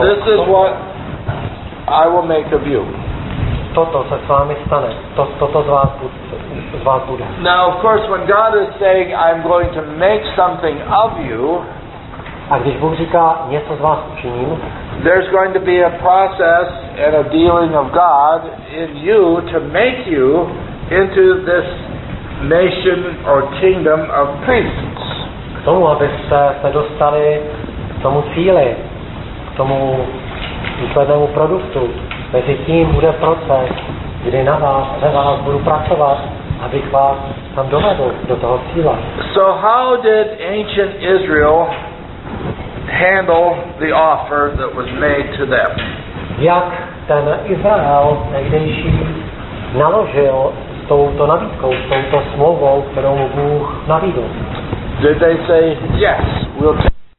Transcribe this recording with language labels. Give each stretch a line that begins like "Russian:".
English: this is what I will make of you.
Czech: Toto se s vámi stane. Toto z vás bude.
English: Now, of course, when God is saying, I'm going to make something of you,
Czech: a když Bůh říká, něco z vás učiním,
English: there's going to be a process and a dealing of God in you to make you into this nation or kingdom of priests.
Czech: K tomu, abyste se dostali k tomu cíli, k tomu výslednému produktu, mezi tím bude proces, kdy na vás, ve vás budu pracovat, abych vás tam dovedl do toho cíle.
English: So how did ancient Israel handle the offer that was made to them?
Czech: Jak ten Izrael tehdejší naložil s touto nabídkou, s touto smlouvou, kterou mu Bůh nabídl?
English: Did they say, yes, we'll take.